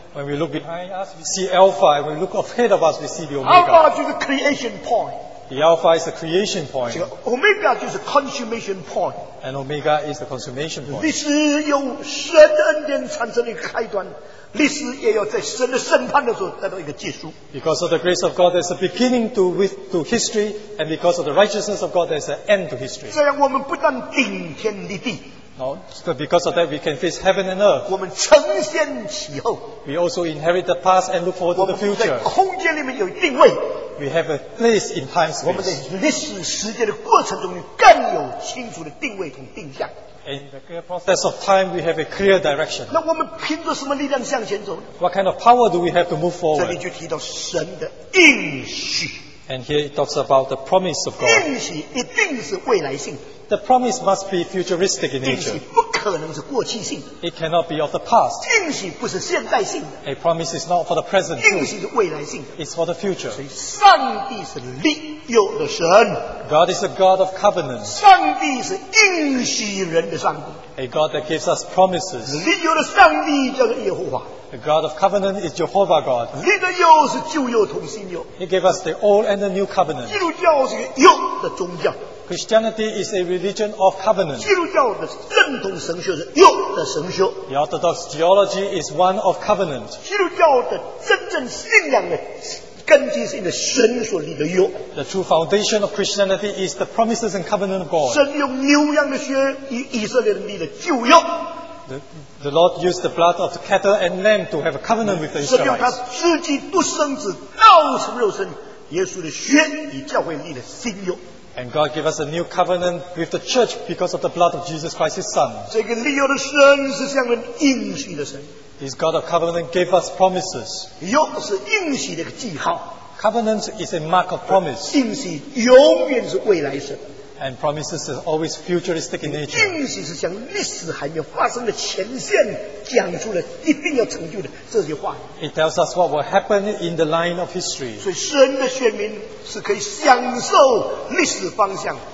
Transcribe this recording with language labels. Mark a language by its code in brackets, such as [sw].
[en] When we look behind us, we see Alpha. When we look ahead of us, we see the Omega. Alpha [zh] 就是 [en] creation point. The Alpha is the creation point. Omega [zh] 就是 [en] consummation point. And Omega is the consummation point. [zh] 历史由神的恩典产生的一个开端，历史也要在神的审判的时候得到一个结束。 [en] Because of the grace of God, there's a beginning to history, and because of the righteousness of God, there's an end to history. [zh] 这样我们不但顶天立地。 [en] So because of that, we can face heaven and earth. [zh] 我们承先启后。 [en] We also inherit the past and look forward to the future. [zh] 我们在空间里面有定位。 [en] We have a place in time space. [zh] 我们在历史时间的过程中更有清楚的定位和定向。 [en] In the clear process of time, we have a clear direction. [zh] 那我们凭着什么力量向前走？ [en] What kind of power do we have to move forward? [zh] 这里就提到神的应许。 [en] And here it talks about the promise of God. [zh] 应许一定是未来性。 [en] The promise must be futuristic in nature. [zh] 应许不可能是过去性。 [en] It cannot be of the past. [zh] 应许不是现在性。 [en] A promise is not for the present. [zh] 应许是未来性。 [en] It's for the future. [zh] 所以上帝是立约的神。 [en] God is a God of covenant. [zh] 上帝是应许人的上帝。 [en] A God that gives us promises. [zh] 立约的上帝叫做耶和华。 [en] The God of covenant is Jehovah God. [zh] 立的约是旧约同新约。 [en] He gave us the old and the new covenant. [zh] 基督教是约的宗教。 [en] Christianity is a religion of covenant. [zh] 基督教的正统神学是约的神学。 [en] The Orthodox theology is one of covenant. [zh] 基督教的真正信仰的根基是因为神所立的约。 [en] The true foundation of Christianity is the promises and covenant of God. [zh] 神用牛羊的血与以色列人立的旧约。 [en] The Lord used the blood of the cattle and lamb to have a covenant with the Israelites. [zh] 神用他自己独生子道成肉身，耶稣的血与教会立的新约。 [en] And God gave us a new covenant with the church because of the blood of Jesus Christ, His Son. [zh] 这个立约的神是向人应许的神。 [en] This God of covenant gave us promises. [zh] 约是应许的记号。 [en] Covenant is a mark of promise. [zh] 应许永远是未来神。 [en] and promises is always futuristic in nature. [zh] 应许是向历史还没有发生的前线讲出了一定要成就的这句话语。 [en] It tells us what will happen in the line of history. [zh] 所以神的选民是可以享受历史方向。